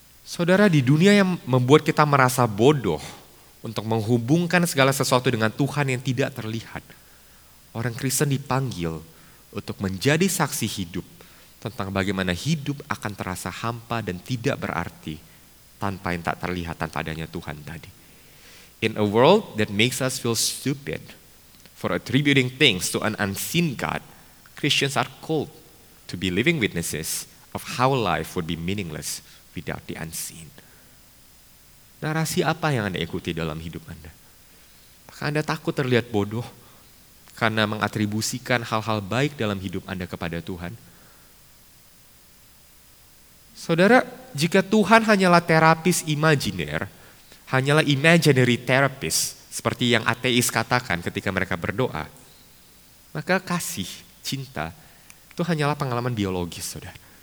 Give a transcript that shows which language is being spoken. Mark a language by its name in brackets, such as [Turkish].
[Indonesian] Saudara, di dunia yang membuat kita merasa bodoh untuk menghubungkan segala sesuatu dengan Tuhan yang tidak terlihat, orang Kristen dipanggil untuk menjadi saksi hidup tentang bagaimana hidup akan terasa hampa dan tidak berarti tanpa yang tak terlihat, tanpa adanya Tuhan tadi. [English] In a world that makes us feel stupid, for attributing things to an unseen God, Christians are called to be living witnesses of how life would be meaningless without the unseen. [Indonesian] Narasi apa yang Anda ikuti dalam hidup Anda? Apakah Anda takut terlihat bodoh karena mengatribusikan hal-hal baik dalam hidup Anda kepada Tuhan? Saudara, jika Tuhan hanyalah terapis imajiner, hanyalah [English] imaginary therapist, [Indonesian] seperti yang ateis katakan ketika mereka berdoa, maka kasih, cinta, itu hanyalah pengalaman biologis, saudara.